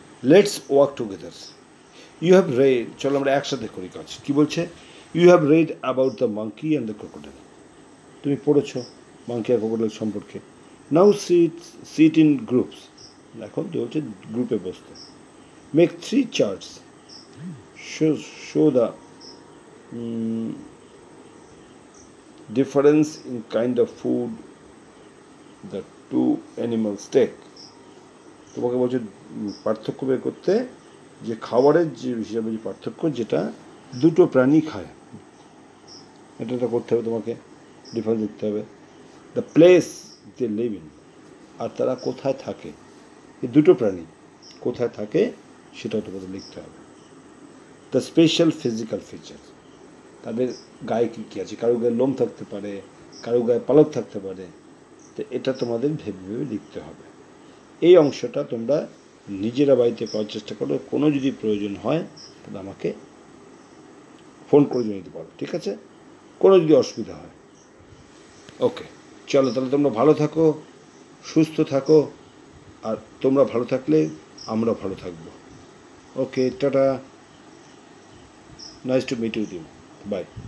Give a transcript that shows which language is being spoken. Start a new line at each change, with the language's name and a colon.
English: let's work together, you have read,
Bangla: চলো আমরা একসাথে করি কাজ। কী বলছে?
English: you have read about the monkey and the crocodile,
Bangla: তুমি পড়েছো মাঙ্কি আর ক্রোকোডাইল সম্পর্কে।
English: now sit in groups,
Bangla: এখন কী বলছে গ্রুপে বসতে।
English: Make three charts, show the difference in kind of food the two animals take.
Bangla: তোমাকে বলছে পার্থক্য বের করতে, যে খাবারের যে হিসাবে যে পার্থক্য যেটা দুটো প্রাণী খায়, এটা করতে হবে তোমাকে, ডিফারেন্স দেখতে হবে।
English: the place they live in,
Bangla: আর তারা কোথায় থাকে, এই দুটো প্রাণী কোথায় থাকে সেটাও তোমাকে লিখতে হবে।
English: the special physical feature,
Bangla: তাদের গায়ে কী কী আছে, কারো গায়ে লোম থাকতে পারে, কারো গায়ে পালক থাকতে পারে, তো এটা তোমাদের ভেবে ভেবে লিখতে হবে। এই অংশটা তোমরা নিজেরা বাড়িতে পাওয়ার চেষ্টা করো, কোনো যদি প্রয়োজন হয় তাহলে আমাকে ফোন করে জানিয়ে দিতে পারো, ঠিক আছে? কোনো যদি অসুবিধা হয়, ওকে, চলো তাহলে তোমরা ভালো থাকো, সুস্থ থাকো, আর তোমরা ভালো থাকলে আমরা ভালো থাকব।
English: Okay, tata. Nice to meet you with you. Bye.